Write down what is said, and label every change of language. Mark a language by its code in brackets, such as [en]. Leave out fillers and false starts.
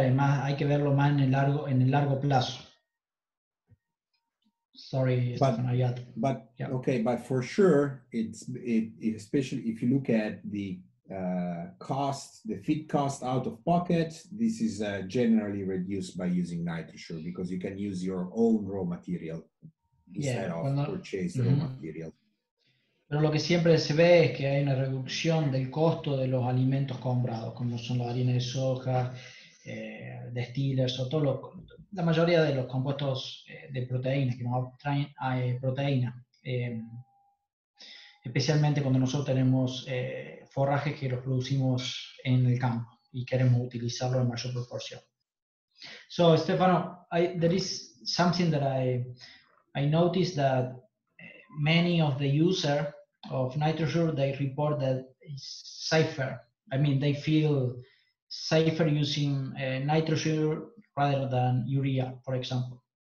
[es] Además, hay que verlo más en el largo plazo. [en] Sorry, but for sure, it's especially if you look at the cost, the feed cost out of pocket, this is generally reduced by using NitroSure because you can use your own raw material instead of purchase raw material. [es] Pero lo que siempre se ve es que hay una reducción del costo de los alimentos comprados, como son la harina de soja, destilers o todo lo. La mayoría de los compuestos de proteínas que nos traen proteína, especialmente cuando nosotros tenemos forrajes que los producimos en el campo y queremos utilizarlo en mayor proporción. [en] So, Stefano, there is something that I noticed that many of the users of NitroSure, they report that it's safer. I mean, they feel safer using NitroSure rather than urea, for example.